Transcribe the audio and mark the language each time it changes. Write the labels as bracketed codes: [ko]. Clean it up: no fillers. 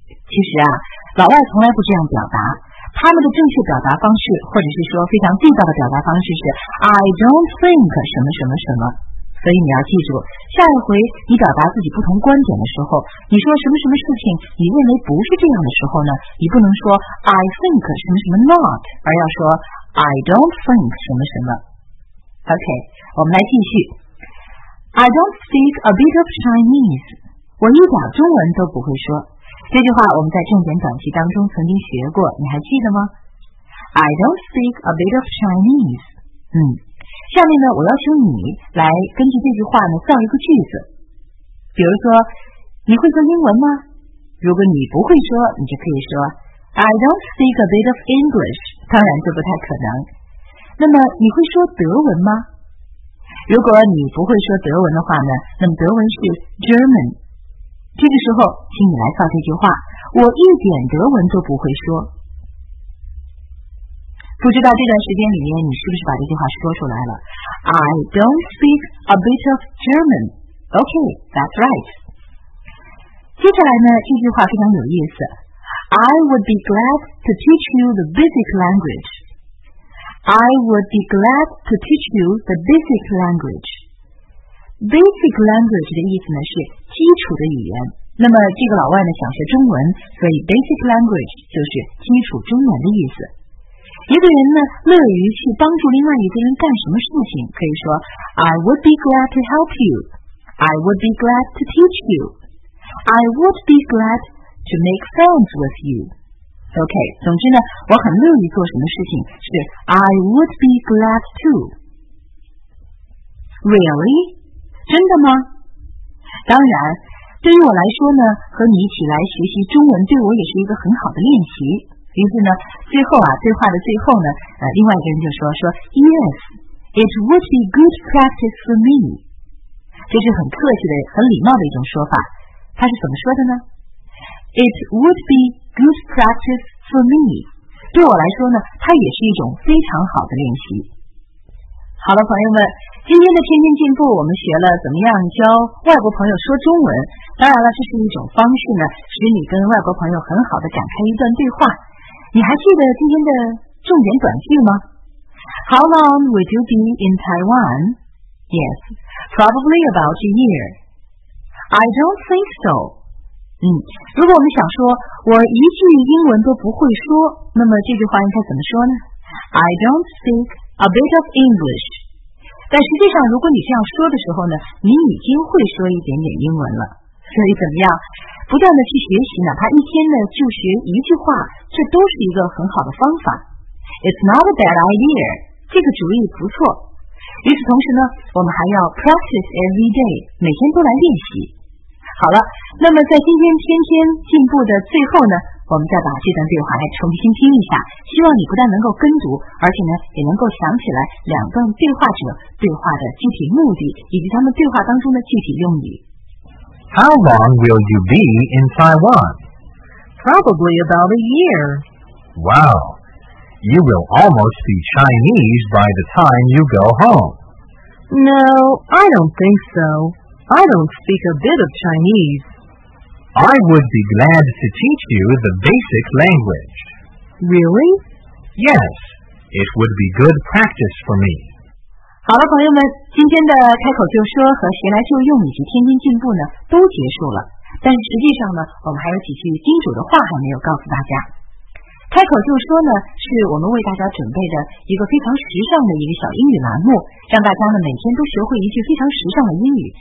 [zh] 其实啊，老外从来不这样表达，他们的正确表达方式或者是说非常地道的表达方式是 [en] I don't think [zh] 什么什么什么。所以你要记住，下一回你表达自己不同观点的时候，你说什么什么事情你认为不是这样的时候呢，你不能说 [en] I think [zh] 什么什么 not， 而要说 [en] I don't think [zh] 什么什么。 OK， 我们来继续。 [en] I don't speak a bit of Chinese， [zh] 我一点中文都不会说。这句话我们在正点短期当中曾经学过，你还记得吗？ [en] I don't speak a bit of Chinese。 [zh] 下面呢，我要求你来根据这句话呢造一个句子。比如说，你会说英文吗？如果你不会说，你就可以说 [en] I don't speak a bit of English， [zh] 当然这不太可能。那么你会说德文吗？如果你不会说德文的话呢，那么德文是 German。这个时候请你来造这句话，我一点德文都不会说。不知道这段时间里面你是不是把这句话说出来了？ [en] I don't speak a bit of German。 OK, that's right。 [zh] 接下来呢，这句话非常有意思， [en] I would be glad to teach you the basic language。 I would be glad to teach you the basic language。 [zh] Basic language 的意思呢是基础的语言，那么这个老外呢想学中文，所以 basic language 就是基础中文的意思。一个人呢乐于去帮助另外一个人干什么事情，可以说 [en] I would be glad to help you， I would be glad to teach you， I would be glad to make friends with you。 [zh] OK， 总之呢我很乐于做什么事情是 [en] I would be glad to。 Really？ [zh] 真的吗？当然，对于我来说呢，和你一起来学习中文对我也是一个很好的练习。于是呢，最后啊，对话的最后呢，另外一个人就说 [en] Yes, it would be good practice for me。 [zh] 这是很客气的很礼貌的一种说法，他是怎么说的呢？ [en] It would be good practice for me， [zh] 对我来说呢，它也是一种非常好的练习。好了，朋友们，今天的天天进步我们学了怎么样教外国朋友说中文，当然了，这是一种方式呢，使你跟外国朋友很好的展开一段对话。你还记得今天的重点短句吗？ [en] How long would you be in Taiwan? Yes, probably about a year. I don't think so. [zh] 如果我们想说我一句英文都不会说，那么这句话应该怎么说呢？ [en] I don't speak a bit of English. [zh] 但实际上如果你这样说的时候呢，你已经会说一点点英文了。所以怎么样，不断的去学习，哪怕一天呢就学一句话，这都是一个很好的方法。 [en] It's not a bad idea， [zh] 这个主意不错。与此同时呢，我们还要 [en] practice every day， [zh] 每天都来练习。好了，那么在今天天天进步的最后呢，我们再把这段对话来重新听一下，希望你不但能够跟读，而且呢也能够想起来两段对话者对话的具体目的以及他们对话当中的具体用语。 [en] How long will you be in Taiwan? Probably about a year. Wow! You will almost be Chinese by the time you go home. No, I don't think so. I don't speak a bit of Chinese. I would be glad to teach you the basic language. Really? Yes, It would be good practice for me. [zh] 好了，朋友们，今天的开口就说和谁来就用以及天天进步呢，都结束了。但实际上呢，我们还有几句叮嘱的话还没有告诉大家。开口就说呢，是我们为大家准备的一个非常时尚的一个小英语栏目，让大家呢每天都学会一句非常时尚的英语。